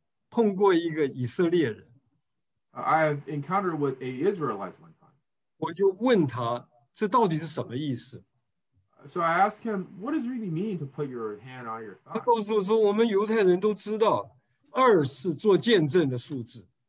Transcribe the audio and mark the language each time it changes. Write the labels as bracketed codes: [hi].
[zh] 我曾经呢，碰过一个以色列人。 [en] I have encountered with an Israelite one time. [zh] 我就问他，这到底是什么意思？ [en] So I asked him, what does it really mean to put your hand on your thigh? [zh] 他告诉我说，我们犹太人都知道，二是做见证的数字。